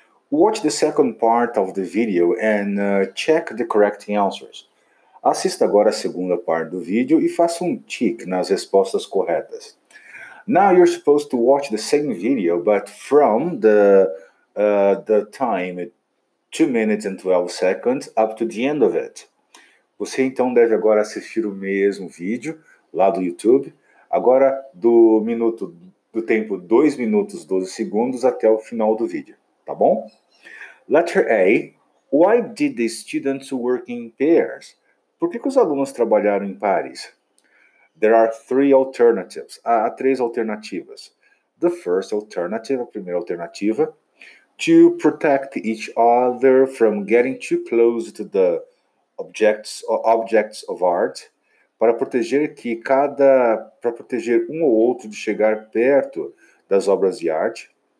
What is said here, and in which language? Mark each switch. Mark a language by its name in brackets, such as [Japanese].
[English] Watch the second part of the video and check the correct answers. [Portuguese] Assista agora a segunda parte do vídeo e faça tick nas respostas corretas. [English] Now you're supposed to watch the same video, but from the time 2 minutes and 12 seconds up to the end of it. [Portuguese] Você então deve agora assistir o mesmo vídeo lá do YouTube, agora do tempo 2 minutos 12 segundos até o final do vídeo, tá bom? [English] Letter A, why did the students work in pairs? [Portuguese] Por que os alunos trabalharam em pares? [English] There are 3 alternatives. [Portuguese] Há 3 alternativas. [English] The first alternative, [Portuguese] a primeira alternativa, [English] to protect each other from getting too close to the objects of art, [Portuguese] para proteger um ou outro de chegar perto das obras de arte.